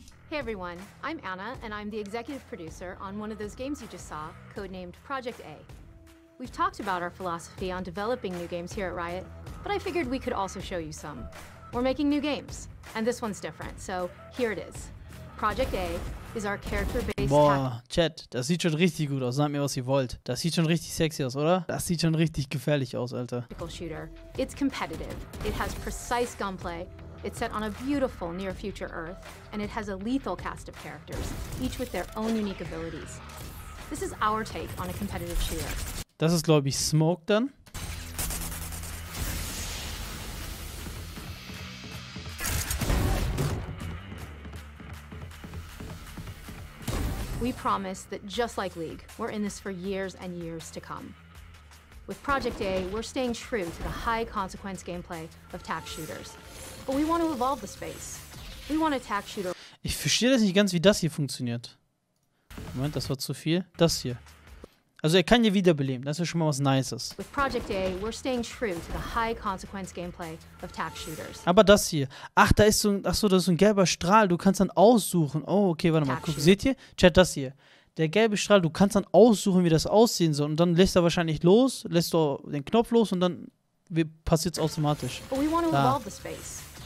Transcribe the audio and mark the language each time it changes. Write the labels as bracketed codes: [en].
[en] Hey everyone, I'm Anna and I'm the executive producer on one of those games you just saw, codenamed Project A. We've talked about our philosophy on developing new games here at Riot, but I figured we could also show you some. We're making new games, and this one's different, so here it is. Project A is our character-based [de] Boah, Chat, das sieht schon richtig gut aus. Sagt mir, was ihr wollt. Das sieht schon richtig sexy aus, oder? Das sieht schon richtig gefährlich aus, Alter. [en] Shooter. It's competitive. It has precise gunplay. It's set on a beautiful near future Earth, and it has a lethal cast of characters, each with their own unique abilities. This is our take on a competitive shooter. [de] Das ist, glaube ich, Smoke dann. [en] We promise that just like League, we're in this for years and years to come. With Project A, we're staying true to the high consequence gameplay of tax shooters. But we want to evolve the space. We want a tax shooter. [de] Ich verstehe das nicht ganz, wie das hier funktioniert. Moment, das war zu viel. Das hier. Also er kann ja wiederbeleben. Das ist schon mal was Nices. [en] With Project A, we're staying true to the high consequence gameplay of tax shooters. [de] Aber das hier. Ach, da ist so ein, ach so, das ist ein gelber Strahl. Du kannst dann aussuchen. Oh, okay, warte mal. Guck, seht ihr? Chat, das hier. Der gelbe Strahl, du kannst dann aussuchen, wie das aussehen soll. Und dann lässt er wahrscheinlich los, lässt du den Knopf los und dann passiert es automatisch. [en] But we want to evolve the space.